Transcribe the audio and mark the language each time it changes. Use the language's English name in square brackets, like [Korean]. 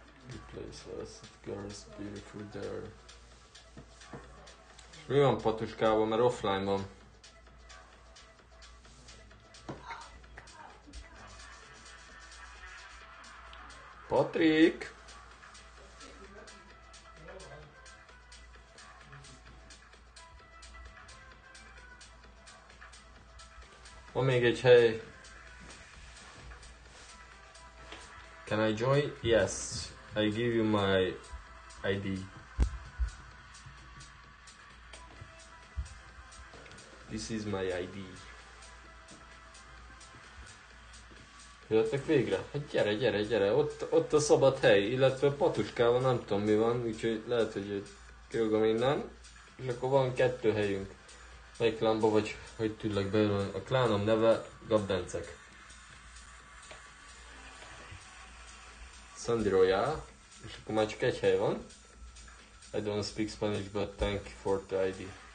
[English] You place us, girls beautiful there. [Hungarian] És mi van Patuskában, mert offline van. Patrik! Van még egy hely. [English] Can I join? Yes. I give you my ID. This is my ID. [Hungarian] Jöttek végre? Hát gyere, gyere, gyere. Ott a szabad hely. Illetve Patuskával nem tudom mi van. Úgyhogy lehet, hogy kirúgom innen. És akkor van kettő helyünk. Melyik klánba vagy, hogy tudlak beülni? A klánom neve Gabdencek. Sandy Royale. És akkor már csak egy hely van. [English] I don't speak Spanish, but thank you for the ID.